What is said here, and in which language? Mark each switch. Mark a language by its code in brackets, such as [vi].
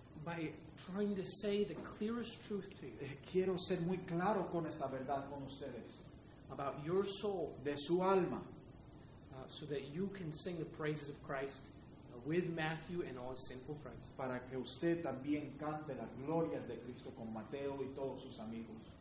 [en] By trying to say the clearest truth to you. [es] Quiero ser muy claro con esta verdad con ustedes. [en] About your soul. [es] De su alma. [en] So that you can sing the praises of Christ. With Matthew and all his sinful friends. [es] Para que usted también cante las glorias de Cristo con Mateo y todos sus amigos.